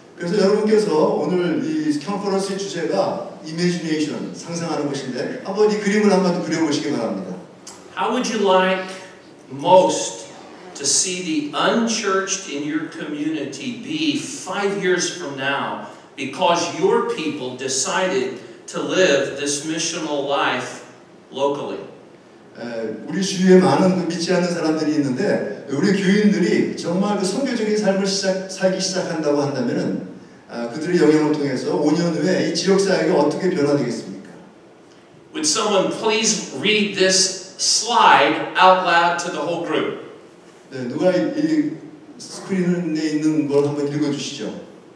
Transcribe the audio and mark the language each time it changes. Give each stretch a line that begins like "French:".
Korean: 그래서 여러분께서 오늘 이 컨퍼런스의 주제가 imagination, 상상하는 것인데 한번 이 그림을 한번 그려보시기 바랍니다.
English: How would you like most to see the unchurched in your community be 5 years from now because your people decided to live this missional life locally?
Korean: 우리 주위에 많은 믿지 않는 사람들이 있는데 우리 교인들이 정말 그 선교적인 삶을 살기 시작한다고 한다면은 그들의 영향을 통해서 5년 후에 이 지역 사회가 어떻게 변화되겠습니까?
English: Would someone please read this slide out loud to the whole group?
Korean: 네, 누가 이 스크린에 있는 걸 한번 읽어주시죠.